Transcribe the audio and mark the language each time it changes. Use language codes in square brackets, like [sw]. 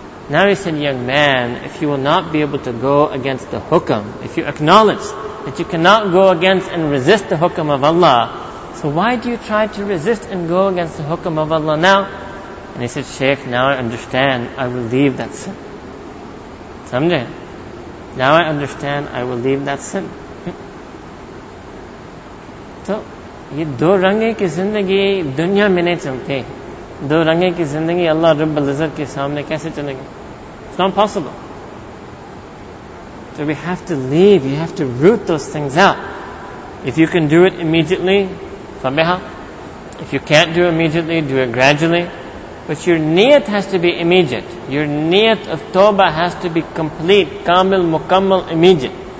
[en] Now he said, young man, if you will not be able to go against the hukam, if you acknowledge that you cannot go against and resist the hukam of Allah, so why do you try to resist and go against the hukam of Allah now? And he said, Shaykh, now I understand, I will leave that sin. Someday. Now I understand, I will leave that sin. So, [ur] یہ دو رنگے کی زندگی دنیا میں نہیں چلتے۔ دو رنگے کی زندگی اللہ ربّ العزت کے سامنے کیسے چلیں گے؟ [en] It's not possible. So we have to leave, you have to root those things out. If you can do it immediately, fameha. If you can't do it immediately, do it gradually. But your niyat has to be immediate. Your niyat of tawbah has to be complete, kamil, mukammal, immediate.